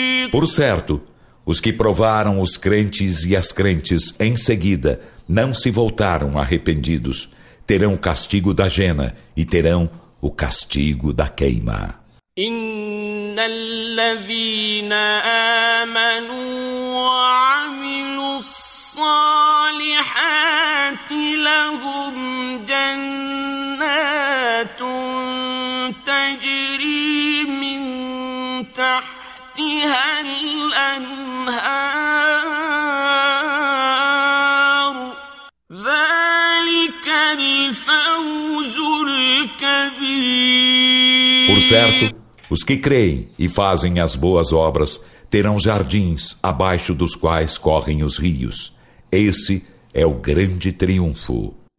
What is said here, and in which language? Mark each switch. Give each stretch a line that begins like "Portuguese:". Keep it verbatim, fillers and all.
Portuguese: Por certo, os que provaram os crentes e as crentes em seguida não se voltaram arrependidos, terão o castigo da jena e terão o castigo da queima.
Arabic: إن الذين آمنوا وعملوا الصالحات لهم جنات تجري من تحتها الأنهار ذلك الفوز الكبير.
Portuguese: Os que creem e fazem as boas obras terão jardins abaixo dos quais correm os rios. Esse é o grande triunfo.